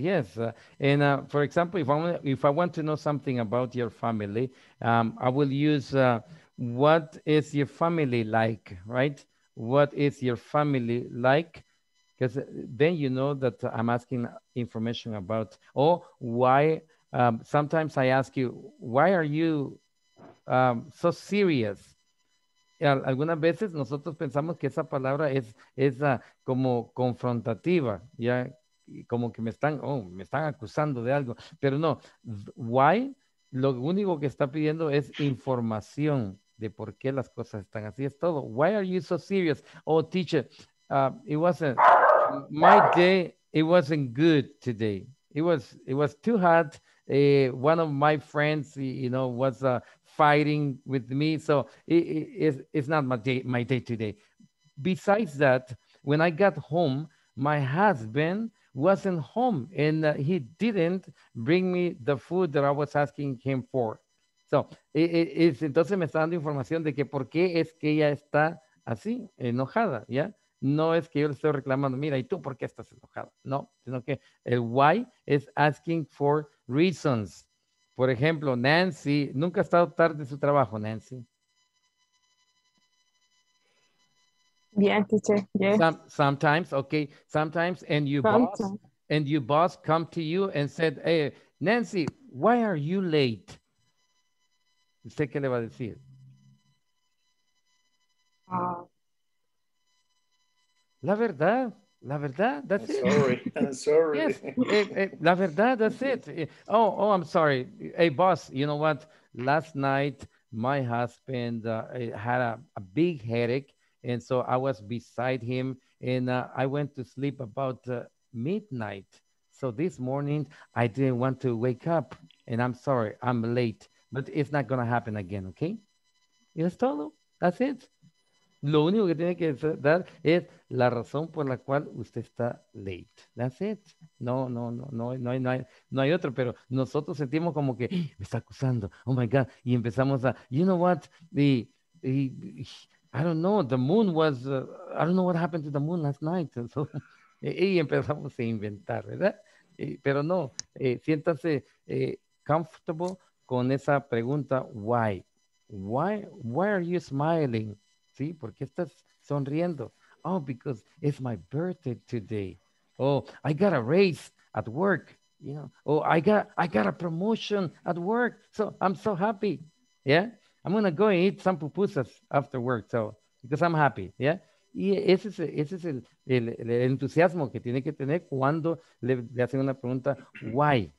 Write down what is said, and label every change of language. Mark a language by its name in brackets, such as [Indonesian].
[English] Yes, and for example, if I want to know something about your family, I will use what is your family like, right? What is your family like? Because then you know that I'm asking information about or why. Sometimes I ask you, why are you so serious? [Spanish] Algunas veces nosotros pensamos que esa palabra es como confrontativa, ya como que me están acusando de algo, pero no. Why, lo único que está pidiendo es información de por qué las cosas están así, es todo. [English] Why are you so serious? Oh, teacher, it wasn't, my day, it wasn't good today. It was too hot. One of my friends, you know, was fighting with me, so it's not my day today. Besides that, when I got home, my husband wasn't home, and he didn't bring me the food that I was asking him for. [Spanish] So entonces me está dando información de que por qué es que ella está así enojada, ya. No es que yo le estoy reclamando, mira, ¿y tú por qué estás enojado? No, sino que el why es asking for reasons. Por ejemplo, Nancy, ¿nunca ha estado tarde en su trabajo, Nancy? [English] Bien, teacher, yes. Sometimes, okay, sometimes, and your boss come to you and said, hey, Nancy, why are you late? [Spanish] ¿Usted qué le va a decir? La verdad, that's [English] it. I'm sorry. Yes. La verdad, that's it. Oh, I'm sorry. Hey, boss, you know what? Last night, my husband had a big headache, and so I was beside him, and I went to sleep about midnight. So this morning, I didn't want to wake up, and I'm sorry, I'm late. But it's not going to happen again, okay? Yes, Tolo, that's it. [Spanish] Lo único que tiene que dar es la razón por la cual usted está late. That's it. No hay otro, pero nosotros sentimos como que me está acusando. [English] Oh my God. Y empezamos a, you know what? The moon was, I don't know what happened to the moon last night. [Spanish] So, y empezamos a inventar, ¿verdad? Pero no, siéntase comfortable con esa pregunta, why? Why are you smiling? ¿Sí? ¿Por qué estás sonriendo? [English] Oh, because it's my birthday today. Oh, I got a raise at work, you know. Oh, I got a promotion at work. So I'm so happy. Yeah. I'm going to go and eat some pupusas after work. So, because I'm happy. [Spanish] Yeah. Y ese es el entusiasmo que tiene que tener cuando le hacen una pregunta, why?